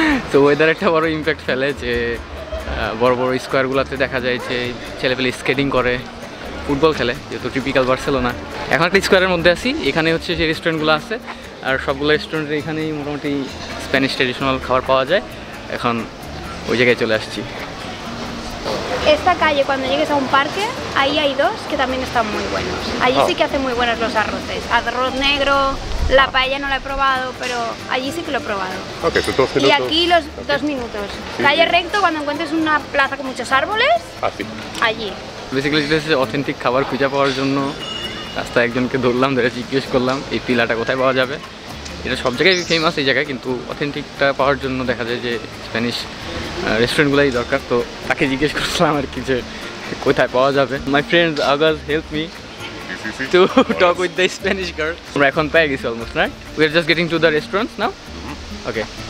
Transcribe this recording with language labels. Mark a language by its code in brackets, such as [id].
[bn] তো ওয়েদার একটা বড় ইম্প্যাক্ট ফেলে যে বড় বড় স্কোয়ারগুলোতে দেখা যায় যে ছেলেপেলে স্কেটিং করে ফুটবল খেলে যেহেতু টিপিক্যাল বার্সেলোনা এখন একটা স্কোয়ারের মধ্যে আসি এখানে হচ্ছে সেই রেস্টুরেন্টগুলো আছে আর সবগুলো রেস্টুরেন্টে এখানেই মোটামুটি স্প্যানিশ ট্রেডিশনাল খাবার পাওয়া যায় এখন ওই জায়গায় চলে আসছি [es] Esta calle, cuando llegues a un parque, ahí hay dos que también están muy buenos. Allí sí que hacen muy buenos los arroces. Arroz negro, la paella no la he probado, pero allí sí que lo he probado. [en] Okay, so 12 minutos. [es] Y aquí los okay. 2 minutos. Sí, calle sí. Recto, cuando encuentres una plaza con muchos árboles, allí. [en] Basically, this is authentic [bn] khabar khuja pawar jonno. Rasta ekjon ke dhorlam, dhore jiggesh korlam, ei pila ta kothay pawa jabe. এটা সব জায়গায় famous এই জায়গায় কিন্তু অথেন্টিকটা পাওয়ার জন্য দেখা যায় যে স্প্যানিশ রেস্টুরেন্টগুলোই দরকার তো তাকে জিজ্ঞেস করছিলাম আর কি যে কোথায় পাওয়া যাবে [en] my friend আগাস help me to talk with the Spanish girl [bn] আমরা এখন পেয়ে গেছি [en] almost right we are just getting to the restaurant now okay